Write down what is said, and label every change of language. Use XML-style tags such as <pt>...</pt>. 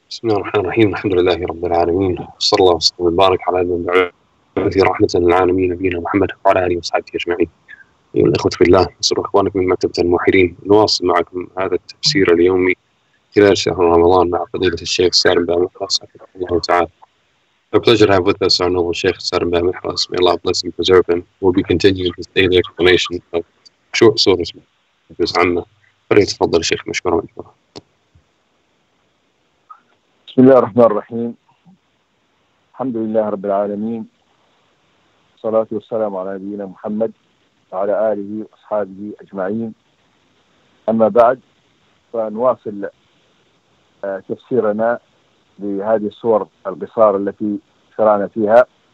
<ar>بسم الله الرحمن الرحيم، الحمد لله رب العالمين، صلى الله وسلم وبارك على من بعث رحمة للعالمين نبينا محمد وعلى آله وصحبه أجمعين. أيها الأخوة في الله، أصدقاء إخوانكم من مكتبة الموحدين، نواصل معكم هذا التفسير اليومي خلال شهر رمضان مع فضيلة الشيخ سالم بن محرص حفظه الله تعالى.</ar> <en>A pleasure to have with us our noble Sheikh Sarim bin Mihras. May Allah bless and preserve him. We'll be continuing his daily explanation of short surahs of his Amma. Please,</en> <ar>تفضل</ar> <en>Sheikh.</en> <ar>مشكورا مشكورا. بسم الله الرحمن الرحيم، الحمد لله رب العالمين، الصلاة والسلام على نبينا محمد وعلى آله وأصحابه أجمعين. أما بعد، فنواصل تفسيرنا لهذه الصور القصار التي شرعنا فيها.</ar>